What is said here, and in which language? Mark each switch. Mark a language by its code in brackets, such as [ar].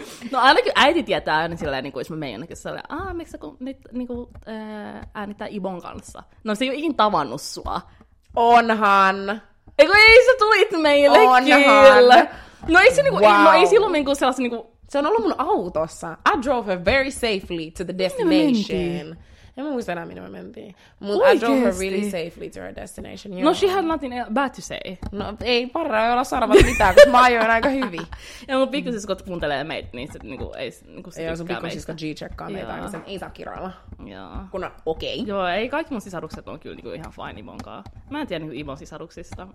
[fi] No ainakin äiti tietää aina silleen, niin kuin, jos mä menen jonnekin silleen, aah, miksi sä niin kuin, äänittää Ibon kanssa? No se ei ole ikin tavannut sua. Onhan! Eikö ei sä tulit meille, kyllä. No ei se niinku, wow. No ei silloin niinku sellas niinku... Se on ollut mun autossa. [en] I drove her very safely to the destination. [fi] En mä muista enää, minne mä mentiin. Mut [en] I drove her really safely to her destination. No she had nothing bad to say. [fi] No ei parhaa olla sarvat mitään, kun mä ajoin aika hyvin. Ja mun pikkusiskot kuuntelee meitä, niin se niinku ei se niinku tykkää meitä. Ja sun pikkusiskot G-checkkaa meitä, niin sen ei saa kiroilla. Joo. Kun on okei. Joo, ei kaikki mun sisarukset on kyllä niinku ihan fine Ivonkaan. Mä en tiedä niinku Ivon sisaruksista.